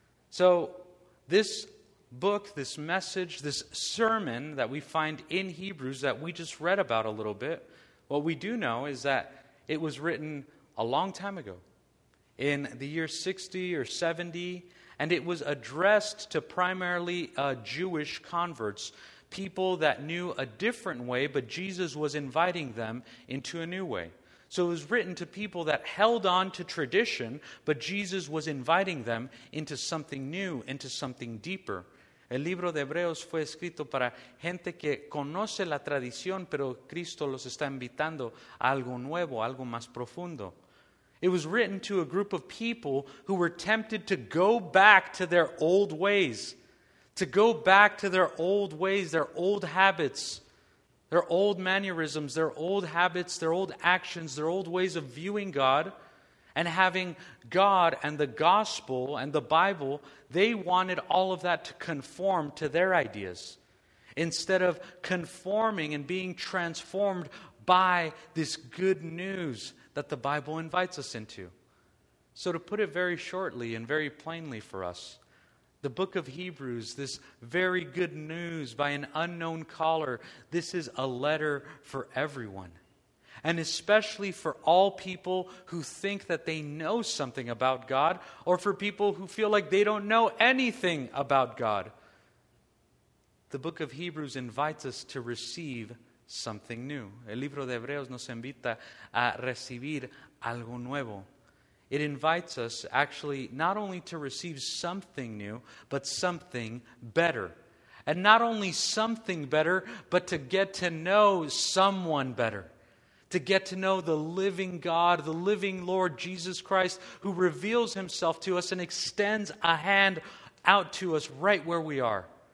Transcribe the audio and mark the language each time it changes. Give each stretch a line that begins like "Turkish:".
English: So this book, this message, this sermon that we find in Hebrews that we just read about a little bit, what we do know is that it was written a long time ago, in the year 60 or 70, and it was addressed to primarily Jewish converts, people that knew a different way, but Jesus was inviting them into a new way. So it was written to people that held on to tradition, but Jesus was inviting them into something new, into something deeper.
Spanish: El libro de Hebreos fue escrito para gente que conoce la tradición, pero Cristo los está invitando a algo nuevo, algo más profundo.
English: It was written to a group of people who were tempted to go back to their old ways, to go back to their old ways, their old habits, their old mannerisms, their old habits, their old actions, their old ways of viewing God and having God and the gospel and the Bible. They wanted all of that to conform to their ideas instead of conforming and being transformed by this good news that the Bible invites us into. So to put it very shortly and very plainly for us, the book of Hebrews, this very good news by an unknown caller, this is a letter for everyone. And especially for all people who think that they know something about God, or for people who feel like they don't know anything about God. The book of Hebrews invites us to receive something new.
Spanish: El libro de Hebreos nos invita a recibir algo nuevo.
English: It invites us actually not only to receive something new, but something better. And not only something better, but to get to know someone better. To get to know the living God, the living Lord Jesus Christ, who reveals himself to us and extends a hand out to us right where we are.